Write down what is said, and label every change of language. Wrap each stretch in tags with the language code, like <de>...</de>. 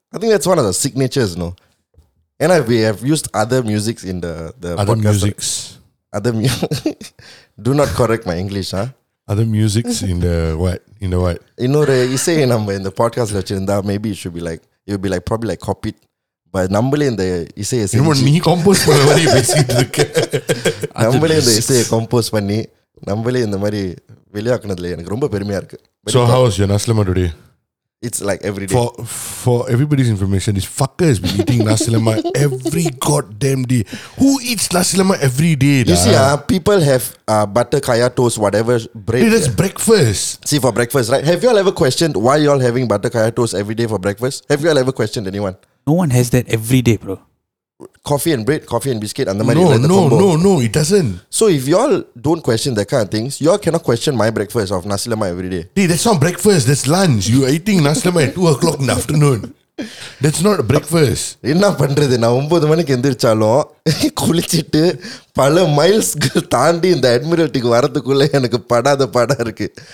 <en>I think that's one of the signatures, no? And we have used other musics in the other podcast. Musics. Other musics. Do not correct my English, huh? Other musics in the what? In the what? You know, you say number in the podcast lecture, and maybe it should be like, it would be like probably like copied. But number in the essay is... You know, compose for the basically. Number in the essay compose for</en> <ta>நம்மளே இந்த மாதிரி வெளியாக்குனதுல எனக்கு ரொம்ப பெருமையா இருக்கு.</ta> <en>So how is your nasi lemak today? It's like every day. For everybody's information, this fucker has been eating nasi lemak every goddamn day. Who eats nasi lemak every day? You see, people have butter, kaya toast, whatever bread. Hey, that's breakfast. See, for breakfast, right? Have you all ever questioned why you all having butter, kaya toast every day for breakfast? Have you all ever questioned anyone? No one has that every day, bro. Coffee and bread, coffee and biscuit, and the money. No, it doesn't. So if y'all don't question that kind of things, y'all cannot question my breakfast of nasi lemak every day. Dude, that's not breakfast, that's lunch. You are eating nasi lemak at 2 o'clock in the afternoon. That's not a breakfast.</en> <ta>என்ன பண்றது, நான் 9 மணிக்கு எந்திரிச்சாலும் குளிச்சுட்டு பல மைல்ஸ்க்கு தாண்டி இந்த அட்மிரல்ட்டிக்கு வரதுக்குள்ள எனக்கு படாத படா இருக்கு.</ta>